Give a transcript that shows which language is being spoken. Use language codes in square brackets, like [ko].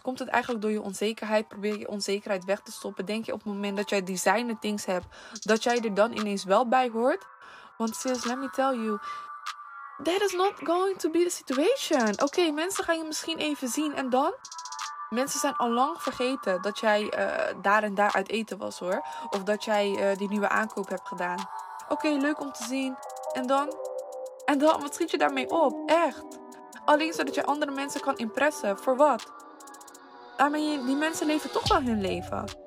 [nl] Komt het eigenlijk door je onzekerheid? Probeer je onzekerheid weg te stoppen? Denk je op het moment dat jij designer things hebt, dat jij er dan ineens wel bij hoort? [en] Want sis, let me tell you. That is not going to be the situation. [nl] Oké, mensen gaan je misschien even zien. En dan? Mensen zijn allang vergeten dat jij daar en daar uit eten was, hoor. Of dat jij die nieuwe aankoop hebt gedaan. Oké, leuk om te zien. En dan? En dan? Wat schiet je daarmee op? Echt? Alleen zodat je andere mensen kan impressen. Voor wat? Daarmee, die mensen leven toch wel hun leven.